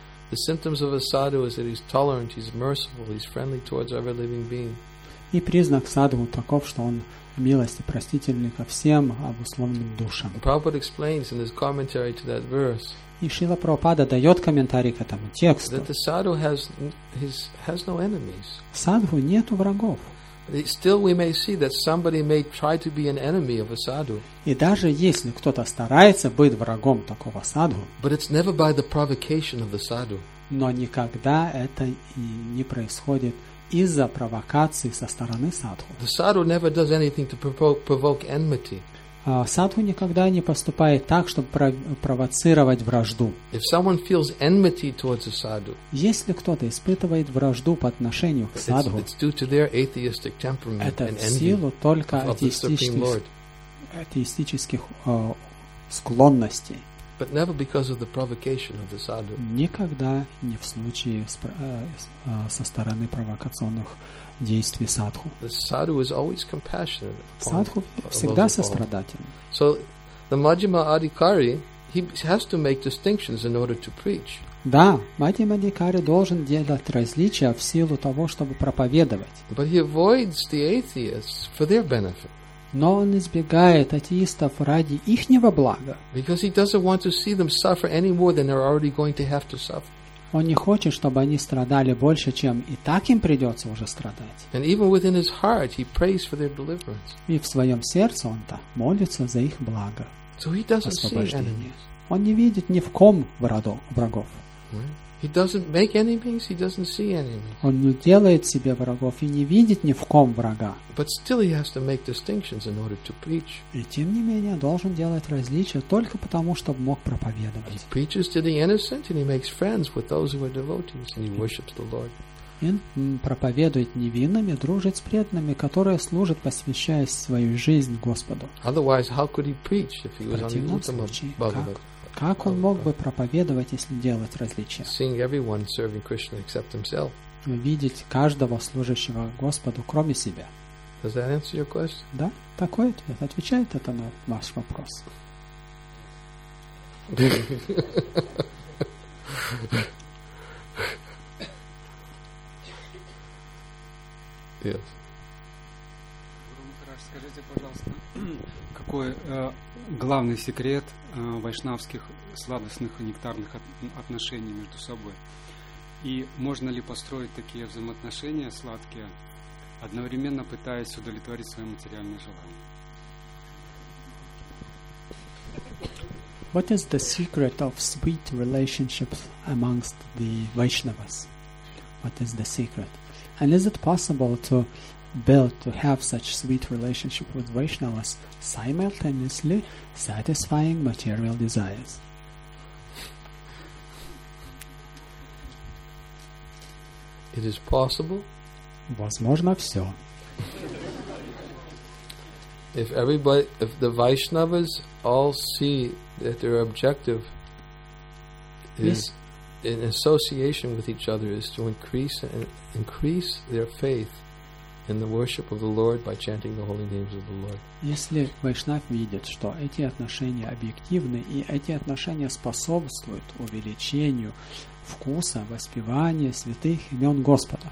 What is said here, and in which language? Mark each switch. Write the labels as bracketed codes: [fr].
[en] The symptoms of a sadhu is that he's tolerant, he's merciful, he's friendly towards every living being. [ru] И признак садху таков, что он милости простительны ко всем обусловленным душам. [en] Prabhupada explains in his commentary to that verse. [ru] И Шрила Прабхупада дает комментарий к этому тексту. [en] That the sadhu has no enemies. [ru] Садху нет врагов. [en] Still we may see that somebody may try to be an enemy of a sadhu. [ru] И даже если кто-то старается быть врагом такого садху. [en] But it's never by the provocation of the sadhu. [ru] Но никогда это и не происходит из-за провокации со стороны садху. [en] The sadhu never does anything to provoke enmity. [ru] Садху никогда не поступает так, чтобы провоцировать вражду. [en] If someone feels enmity towards a sadhu, [ru] если кто-то испытывает вражду по отношению к садху, [en] it's due to their atheistic temperament [ru] это [en] and envy [ru] в силу только атеистических склонностей. [en] But never because of the provocation of the sadhu. [ru] Никогда не в случае со стороны провокационных действий садху. [en] The sadhu is always compassionate. [ru] Садху всегда сострадателен. [en] So the Madhyama Adhikari, he has to make distinctions in order to preach. [ru] Да, Madhyama Adhikari должен делать различия в силу того, чтобы проповедовать. [en] But he avoids the atheists for their benefit. [ru] Но он избегает атеистов ради ихнего блага. [en] Because he doesn't want to see them suffer any more than they're already going to have to suffer. [ru] Он не хочет, чтобы они страдали больше, чем и так им придется уже страдать. [en] And even within his heart, he prays for their deliverance. [ru] И в своем сердце он-то молится за их благо. [en] So he doesn't see enemies. [ru] Он не видит ни в ком врагов. [en] He doesn't make enemies, he doesn't see enemies. [ru] Он не делает себе врагов и не видит ни в ком врага. [en] But still he has to make distinctions in order to preach. [ru] И тем не менее должен делать различия только потому, чтобы мог проповедовать. [en] He preaches to the innocent and he makes friends with those who are devotees and he worships the Lord. [ru] Он проповедует невинным и дружит с преданными, которые служат, посвящая свою жизнь Господу. [en] Otherwise, how could he preach if he was on Uttama Bhagavata? [ru] Как он мог бы проповедовать, если делать различия? [en] Seeing everyone serving Krishna except himself. [ru] Видеть каждого служащего Господу, кроме себя. [en] Does that answer your question? [ru] Да, такой ответ. Отвечает это на ваш вопрос? [en] Yes. [ru] Скажите, пожалуйста, какой главный секрет вайшнавских сладостных и нектарных отношений между собой? И можно ли построить такие взаимоотношения сладкие, одновременно пытаясь удовлетворить свои материальные желания? [en] What is the secret of sweet relationships amongst the Vaishnavas? What is the secret? And is it possible to built to have such sweet relationship with Vaishnavas simultaneously satisfying material desires? It is possible. [ru] Возможно все. [en] If the Vaishnavas all see that their objective is in association with each other is to increase their faith in the worship of the Lord by chanting the holy names of the Lord. [ru] Если вайшнав видит, что эти отношения объективны и эти отношения способствуют увеличению вкуса воспевания святых имен Господа.